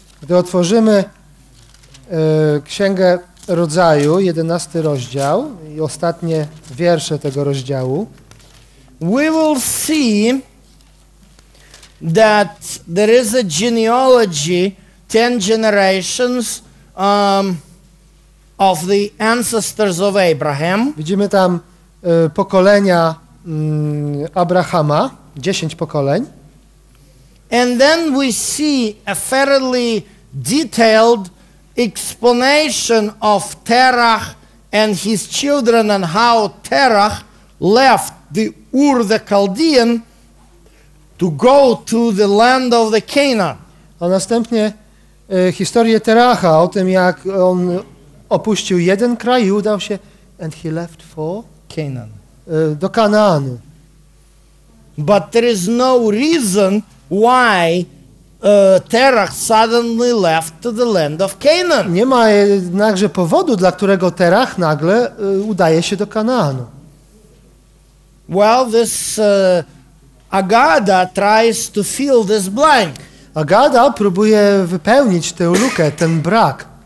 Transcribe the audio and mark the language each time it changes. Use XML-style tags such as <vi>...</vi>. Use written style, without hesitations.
<pl>Gdy otworzymy Księgę Rodzaju, 11 rozdział i ostatnie wiersze tego rozdziału.</pl> <en>We will see that there is a genealogy 10 generations of the ancestors of Abraham.</en> <pl>Widzimy tam pokolenia Abrahama, 10 pokoleń.</pl> <en>And then we see a fairly detailed explanation of Terach and his children and how Terach left the Ur the Chaldean to go to the land of the Canaan.</en> <pl>A następnie historię Teracha, o tym jak on opuścił jeden kraj i udał się</pl> <en>and he left for Canaan.</en> <pl>Do Kanaanu.</pl> <en>But there is no reason why Terach suddenly left to the land of Canaan.</en> <pl>Nie ma jednakże powodu, dla którego Terach nagle udaje się do Kanaanu.</pl> <en>Well, this Agada tries to fill this blank.</en> <pl>Agada próbuje wypełnić tę lukę, ten brak.</pl>